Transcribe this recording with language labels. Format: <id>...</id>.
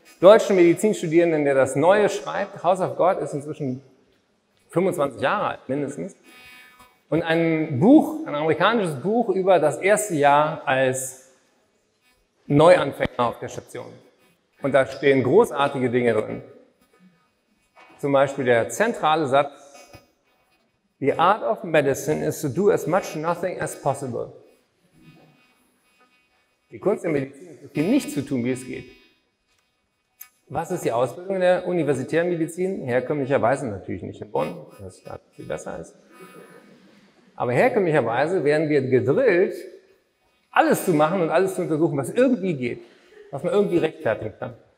<de>deutschen Medizinstudierenden, der das Neue schreibt. House of God ist inzwischen 25 Jahre alt, mindestens. Und ein Buch, ein amerikanisches Buch über das erste Jahr als Neuanfänger auf der Station. Und da stehen großartige Dinge drin. Zum Beispiel der zentrale Satz:</de> <en>The art of medicine is to do as much nothing as possible.</en> <de>Die Kunst der Medizin ist, die nicht zu tun, wie es geht. Was ist die Ausbildung in der universitären Medizin? Herkömmlicherweise natürlich nicht in Bonn, was da viel besser ist. Aber herkömmlicherweise werden wir gedrillt, alles zu machen und alles zu untersuchen, was irgendwie geht, was man irgendwie rechtfertigen kann.</de>